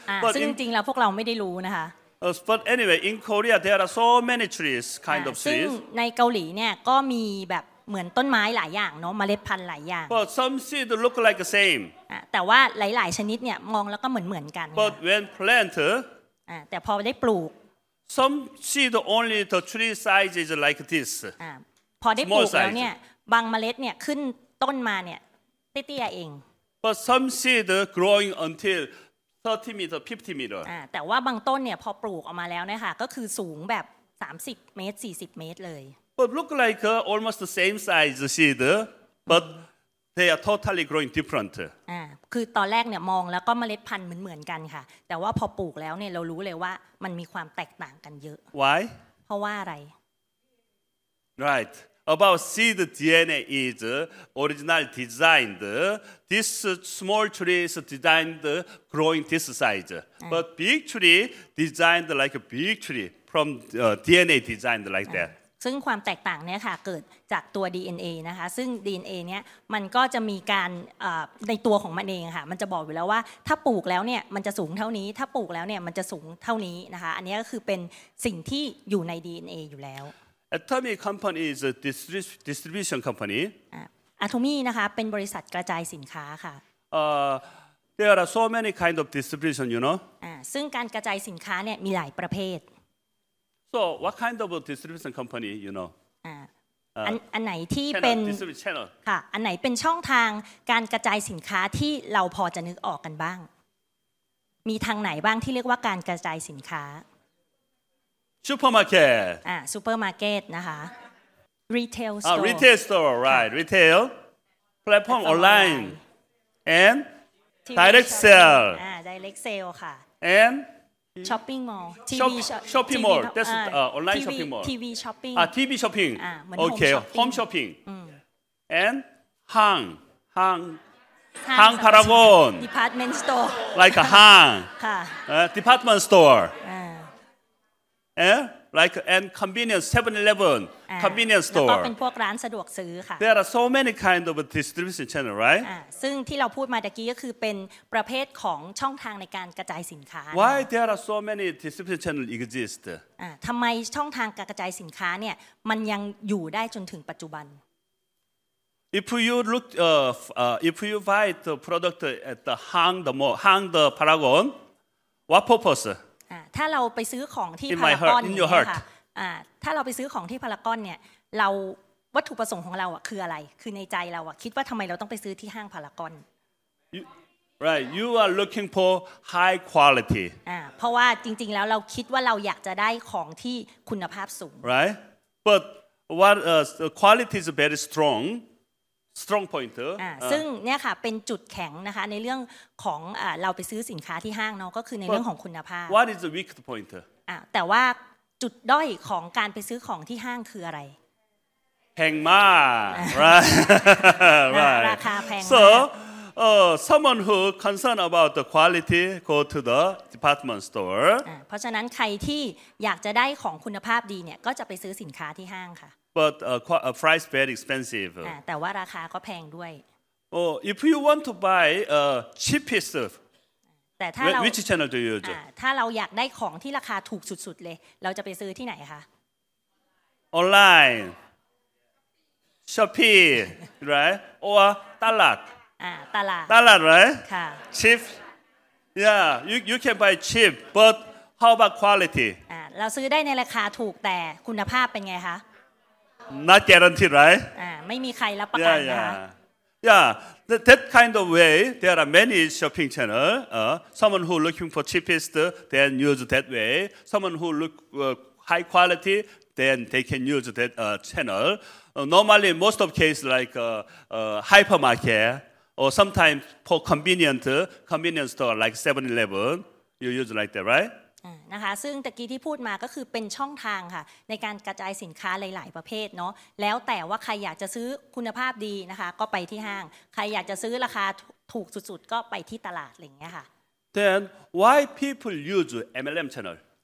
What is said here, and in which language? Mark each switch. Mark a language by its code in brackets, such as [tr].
[th] But จริงๆแล้วพวกเราไม่ได้รู้นะคะ [en] But anyway, in Korea there are so many trees kind of seeds. [th] ซึ่งในเกาหลีเนี่ยก็มีแบบเหมือนต้นไม้หลายอย่างเนาะเมล็ดพันธุ์หลายอย่าง [en] But some seed look like the same. [th] แต่ว่าหลายๆชนิดเนี่ยมองแล้วก็เหมือนกัน [en] But when plant. [th] แต่พอได้ปลูก [en] Some seed only the tree size is like this. [th] พอได้ปลูกแล้วเนี่ยบางเมล็ดเนี่ยขึ้นต้นมาเนี่ยเตี้ยๆเอง [en] But some seed growing until 30 meter, 50 meter. [th] แต่ว่าบางต้นเนี่ยพอปลูกออกมาแล้วเนี่ยค่ะก็คือสูงแบบ30เมตร40เมตรเลย [en] But look like almost the same size seed, but they are totally growing different. [th] คือตอนแรกเนี่ยมองแล้วก็เมล็ดพันธุ์เหมือนกันค่ะแต่ว่าพอปลูกแล้วเนี่ยเรารู้เลยว่ามันมีความแตกต่างกันเยอะ [en] Why [th] เพราะว่าอะไร [en] Right about seed DNA is originally designed this small tree is designed growing this size but big tree designed like a big tree from DNA designed like that [th] ซึ่งความแตกต่างเนี่ยค่ะเกิดจากตัว DNA นะคะซึ่ง DNA เนี่ยมันก็จะมีการในตัวของมันเองค่ะมันจะบอกอยู่แล้วว่าถ้าปลูกแล้วเนี่ยมันจะสูงเท่านี้ถ้าปลูกแล้วเนี่ยมันจะสูงเท่านี้นะคะอันนี้ก็คือเป็นสิ่งที่อยู่ใน DNA อยู่แล้ว [en] Atomic Company is a distribution company [th] Atomy นะคะเป็นบริษัทกระจายสินค้าค่ะ [en] There are so many kind of distribution you know [th] ซึ่งการกระจายสินค้าเนี่ยมีหลายประเภท [en] So what kind of distribution company you know? [th] อันไหนที่เป็น [en] distribution channel [th] ค่ะอันไหนเป็นช่องทางการกระจายสินค้าที่เราพอจะนึกออกกันบ้างมีทางไหนบ้างที่เรียกว่าการกระจายสินค้า [en] supermarket supermarket นะคะ retail store retail store right retail platform online and direct sell direct sell ค่ะ and shopping mall shopping mall that's online shopping mall tv shopping tv shopping okay home shopping and hang paragon department store like a hang [th] ค่ะ [en] department store like and convenience 7-eleven convenience store [th] แล้วก็เป็นพวกร้านสะดวกซื้อค่ะ [en] there are so many kind of distribution channel right [th] ซึ่งที่เราพูดมาตะกี้ก็คือเป็นประเภทของช่องทางในการกระจายสินค้า [en] why there are so many distribution channel exist [th] ทำไมช่องทางการกระจายสินค้าเนี่ยมันยังอยู่ได้จนถึงปัจจุบัน [en] If you look, if you buy the product at the hang the mall, hang the paragon, what purpose? [th] ถ้าเราไปซื้อของที่พารากอนเนี่ยค่ะถ้าเราไปซื้อของที่พารากอนเนี่ยเราวัตถุประสงค์ของเราอ่ะคืออะไรคือในใจเราอ่ะคิดว่าทำไมเราต้องไปซื้อที่ห้างพารากอน [en] right you are looking for high quality [th] เพราะว่าจริงๆแล้วเราคิดว่าเราอยากจะได้ของที่คุณภาพสูง [en] right but what quality is very strongstrong point [th] ซึ่งเนี่ยค่ะเป็นจุดแข็งนะคะในเรื่องของเราไปซื้อสินค้าที่ห้างเนาะก็คือในเรื่องของคุณภาพ [en] What is the weak point [th] แต่ว่าจุดด้อยของการไปซื้อของที่ห้างคืออะไร แพงมาก right ราคาแพง [en] So someone who concerned about the quality go to the department store [th] เพราะฉะนั้นใครที่อยากจะได้ของคุณภาพดีเนี่ยก็จะไปซื้อสินค้าที่ห้างค่ะ [en] But price very expensive. [th] แต่ว่าราคาก็แพงด้วย [en] Oh, if you want to buy cheapest, which channel do you use? [th] ถ้าเราอยากได้ของที่ราคาถูกสุดๆเลยเราจะไปซื้อที่ไหนคะ [en] Online, Shopee, right? Or ตลาด [th] ตลาด [en] right? [th] ค่ะ [en] Cheap, yeah. You can buy cheap, but how about quality? [th] เราซื้อได้ในราคาถูกแต่คุณภาพเป็นไงคะ [en] Not guaranteed, right? [th] ไม่มีใครรับประกันนะคะ [en] Yeah, that kind of way, there are many shopping channels. Someone who looking for cheapest, then use that way. Someone who look high quality, then they can use that channel. Normally, most of cases like hypermarket, or sometimes for convenience store like 7-Eleven, you use like that, right? [th] นะคะซึ่งตะกี้ที่พูดมาก็คือเป็นช่องทางค่ะในการกระจายสินค้าหลายๆประเภทเนาะแล้วแต่ว่าใครอยากจะซื้อคุณภาพดีนะคะก็ไปที่ห้างใครอยากจะซื้อราคาถูกสุดๆก็ไปที่ตลาดอะไรเงี้ยค่ะ [en] Then why people use MLM channel